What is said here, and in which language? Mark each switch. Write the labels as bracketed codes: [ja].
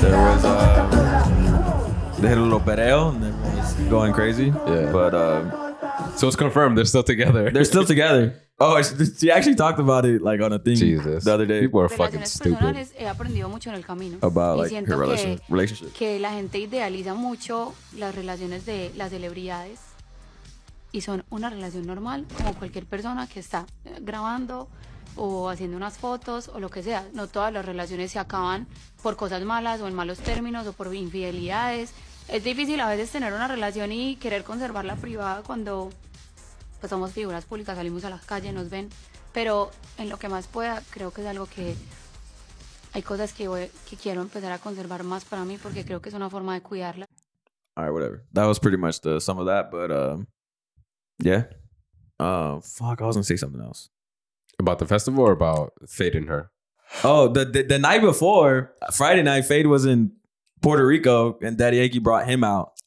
[en] there was they hit a little pereo and then was going crazy. Yeah. But so it's confirmed they're still together. They're still together. Oh, she actually talked about it like on a thing the other day. People are fucking stupid. About like her relationship. [es] Que la gente idealiza mucho las relaciones de las celebridades y son una relación normal como cualquier persona que está grabando o haciendo unas fotos o lo que sea. No todas las relaciones se acaban por cosas malas o en malos términos o por infidelidades. Es difícil a veces tener una relación y querer conservarla privada cuando pues somos figuras públicas, salimos a la calle, nos ven, pero en lo que más pueda, creo que es algo que hay cosas que quiero empezar a conservar más para mí porque creo que es una forma de cuidarla. [en] All right, whatever. That was pretty much the sum of that, but fuck, I was going to say something else. About the festival or about Fade and her? Oh, the night before, Friday night, Fade was in Puerto Rico and Daddy Yankee brought him out.